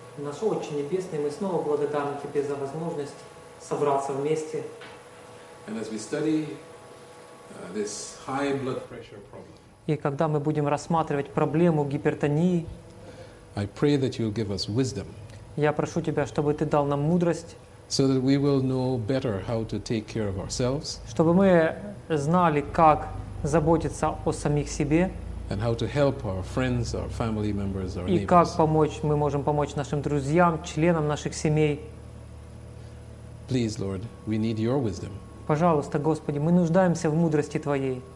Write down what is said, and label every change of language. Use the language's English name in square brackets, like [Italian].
[Russian] Наш Отче Небесный, мы снова благодарны Тебе за возможность собраться вместе. [English] And as we study this high blood pressure problem. [Russian] И когда мы будем рассматривать проблему гипертонии, [English] I pray that you'll give us wisdom. [Russian] Я прошу Тебя, чтобы Ты дал нам мудрость. [English] So that we will know better how to take care of ourselves. [Russian] Чтобы мы знали, как заботиться о самих себе. [English] And how to help our friends, our family members, our neighbors. [Russian] И как помочь, мы можем помочь нашим друзьям, членам наших семей. [English] Please, Lord, we need your wisdom. [Russian] Пожалуйста, Господи, мы нуждаемся в мудрости Твоей.